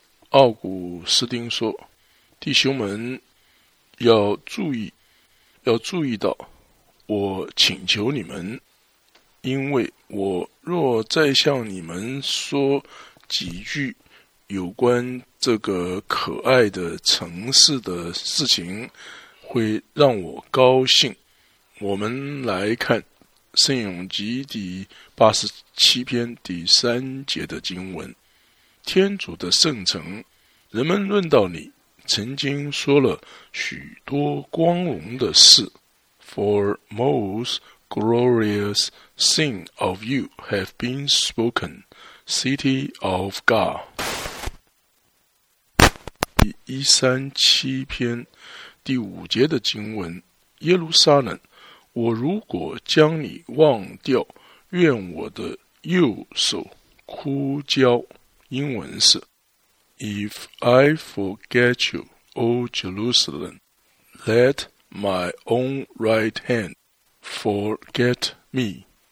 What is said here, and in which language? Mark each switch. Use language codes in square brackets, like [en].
[zh] 奥古斯丁说，弟兄们要注意，要注意到，我请求你们，因为我若再向你们说几句有关这个可爱的城市的事情，会让我高兴。我们来看圣咏集第87篇第三节的经文。天主的圣城，人们论到你曾经说了许多光荣的事。 [en] For most glorious things of you have been spoken, City of God。 [zh] 第137篇第五节的经文，耶路撒冷，我如果将你忘掉，愿我的右手枯焦。英文是 [en] If I forget you, O Jerusalem, let my own right hand forget me.